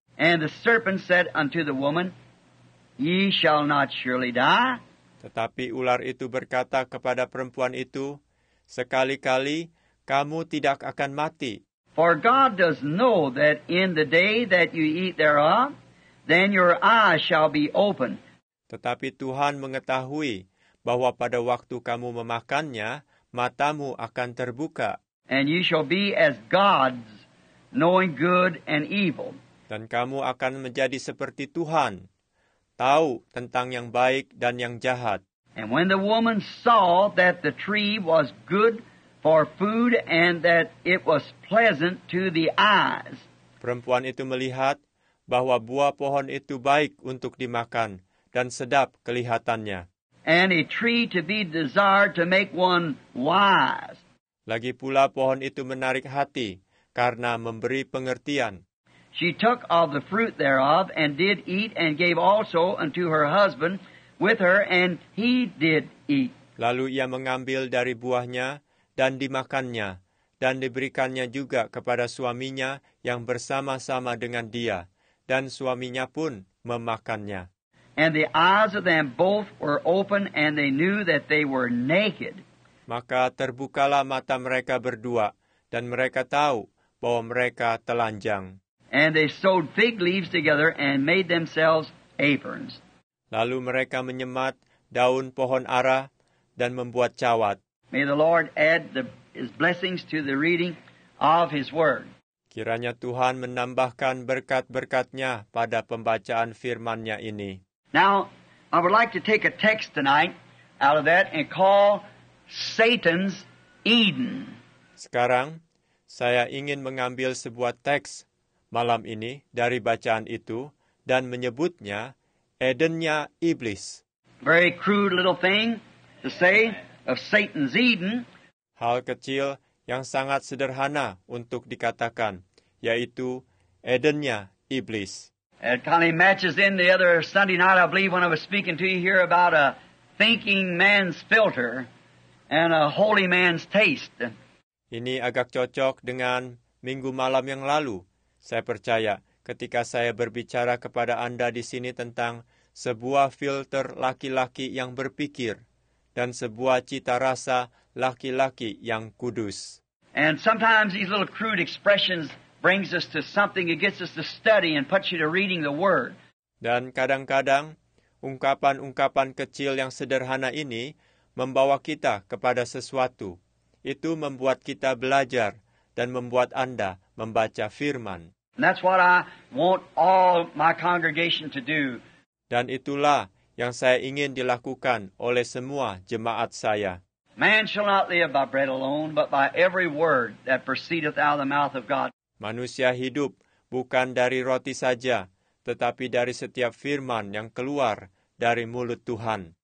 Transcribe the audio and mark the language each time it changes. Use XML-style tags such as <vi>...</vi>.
<en>And the serpent said unto the woman, ye shall not surely die.</en> <id>Tetapi ular itu berkata kepada perempuan itu, sekali-kali kamu tidak akan mati.</id> <en>For God does know that in the day that you eat thereof, then your eyes shall be open.</en> <id>Tetapi Tuhan mengetahui bahwa pada waktu kamu memakannya, matamu akan terbuka.</id> <en>And you shall be as gods, knowing good and evil.</en> <id>Dan kamu akan menjadi seperti Tuhan, tahu tentang yang baik dan yang jahat.</id> <en>And when the woman saw that the tree was good for food and that it was pleasant to the eyes.</en> <id>Perempuan itu melihat bahwa buah pohon itu baik untuk dimakan dan sedap kelihatannya.</id> <en>And a tree to be desired to make one wise.</en> <id>Lagi pula pohon itu menarik hati karena memberi pengertian.</id> <en>She took of the fruit thereof and did eat and gave also unto her husband with her and he did eat.</en> <id>Lalu ia mengambil dari buahnya dan dimakannya dan diberikannya juga kepada suaminya yang bersama-sama dengan dia dan suaminya pun memakannya.</id> <en>And the eyes of them both were open and they knew that they were naked.</en> <id>Maka terbukalah mata mereka berdua dan mereka tahu bahwa mereka telanjang.</id> <en>And they sewed fig leaves together and made themselves aprons.</en> <id>Lalu mereka menyemat daun pohon ara dan membuat cawat.</id> <en>May the Lord add his blessings to the reading of his word.</en> <id>Kiranya Tuhan menambahkan berkat-berkat-Nya pada pembacaan firman-Nya ini.</id> <en>Now, I would like to take a text tonight out of that and call Satan's Eden.</en> <id>Sekarang, saya ingin mengambil sebuah teks malam ini dari bacaan itu dan menyebutnya Eden-nya Iblis.</id> <en>Very crude little thing to say of Satan's Eden.</en> <id>Hal kecil yang sangat sederhana untuk dikatakan, yaitu Eden-nya Iblis.</id> <en>It kind of matches in the other Sunday night, I believe, when I was speaking to you here about a thinking man's filter and a holy man's taste.</en> <id>Ini agak cocok dengan minggu malam yang lalu, saya percaya, ketika saya berbicara kepada Anda di sini tentang sebuah filter laki-laki yang berpikir dan sebuah cita rasa laki-laki yang kudus.</id> <en>And sometimes these little crude expressions brings us to something, it gets us to study and puts you to reading the word.</en> <id>Dan kadang-kadang ungkapan-ungkapan kecil yang sederhana ini membawa kita kepada sesuatu. Itu membuat kita belajar dan membuat Anda membaca firman.</id> <en>And that's what I want all my congregation to do.</en> <id>Dan itulah yang saya ingin dilakukan oleh semua jemaat saya.</id> <en>Man shall not live by bread alone, but by every word that proceedeth out of the mouth of God.</en> <id>Manusia hidup bukan dari roti saja, tetapi dari setiap firman yang keluar dari mulut Tuhan.</id>